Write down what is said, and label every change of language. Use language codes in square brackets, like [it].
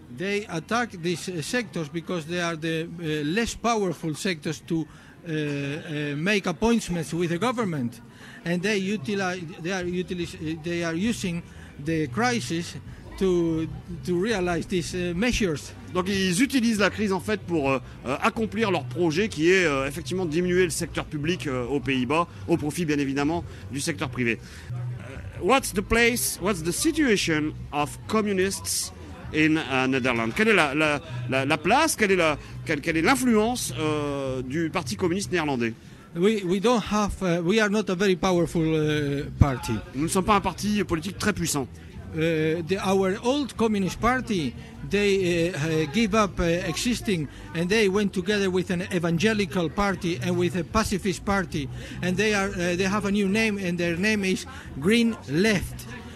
[en] They attack these sectors because they are the less powerful sectors to make appointments with the government, and they utilize they are using the crisis to realize these measures. [fr] Donc ils utilisent la crise en fait pour accomplir leur projet qui est effectivement diminuer le secteur public aux Pays-Bas au profit bien évidemment du secteur privé. [en] What's the place? What's the situation of communists? In Netherlands, [fr] quelle est la place, quelle est l'influence du Parti communiste néerlandais? [en] We are not a very powerful party. [fr] Nous ne sommes pas un parti politique très puissant. [en] Our old communist party, they gave up existing and they went together with an evangelical party and with a pacifist party, and they have a new name and their name is Green Left.